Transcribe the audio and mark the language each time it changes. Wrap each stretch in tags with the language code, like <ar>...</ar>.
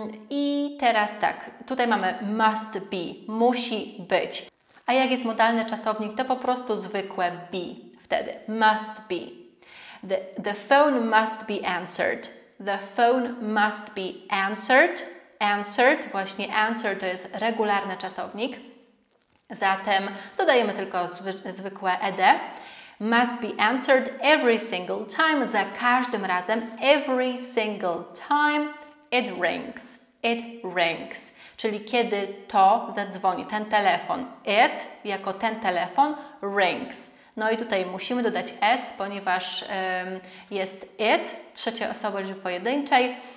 <pl>I teraz tak, tutaj mamy</pl> <en>must be,</en> <pl>musi być. A jak jest modalny czasownik, to po prostu zwykłe be wtedy.</pl> <en>Must be. The phone must be answered. The phone must be answered.</en> <pl>Answered, właśnie answer to jest regularny czasownik. Zatem dodajemy tylko zwykłe ed.</pl> <en>Must be answered every single time,</en> <pl>za każdym razem,</pl> <en>every single time it rings. It rings,</en> <pl>czyli kiedy to zadzwoni, ten telefon. It jako ten telefon rings. No i tutaj musimy dodać s, ponieważ jest it, trzecia osoba liczby pojedynczej.</pl>